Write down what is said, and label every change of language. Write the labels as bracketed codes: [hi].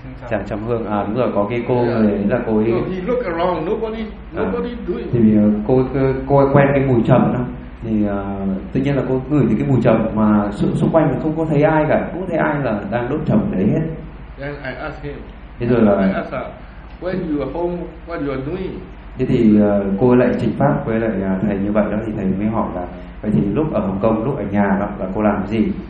[vi] Chàng trầm hương, đúng rồi, có cái cô đấy là cô ấy. [en] No, he look around, nobody do it. [vi] Thì cô quen cái mùi trầm đó. Thì tự nhiên là cô ngửi thấy cái mùi trầm mà xung quanh không có thấy ai cả, không thấy ai là đang đốt trầm đấy hết. [en] Then I ask him. [vi] Thế rồi là [en] I ask her, when you are home, what you are doing? [vi] Thế thì cô ấy lại trình pháp với lại thầy như vậy đó, thì thầy mới hỏi là vậy thì lúc ở Hồng Kông, lúc ở nhà đó là cô làm cái gì?